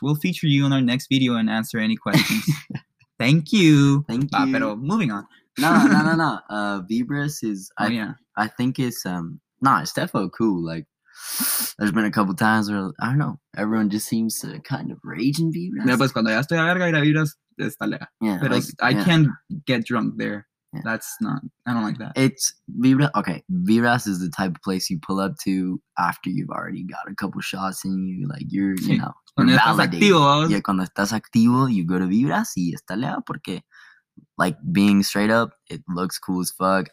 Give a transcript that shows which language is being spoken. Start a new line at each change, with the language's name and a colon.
English: We'll feature you in our next video and answer any questions. Thank you. Thank you.
Spanish: Pero
English: moving on. No. Vibras is I think it's it's definitely cool. Like, there's been a couple times where I don't know, everyone just seems to kind of rage in Vibras.
Spanish: No, pues cuando ya estoy a verga y la vibras está lega.
English: Yeah, but like, I can't get drunk there. Yeah. That's not, I don't like that. It's Vibras. Okay, Vibras is the type of place you pull up to after you've already got a couple shots in you, like you're, you know,
Spanish: cuando estás activo,
English: you go to Vibras
Spanish: y está lega porque,
English: like, being straight up, it looks cool as fuck.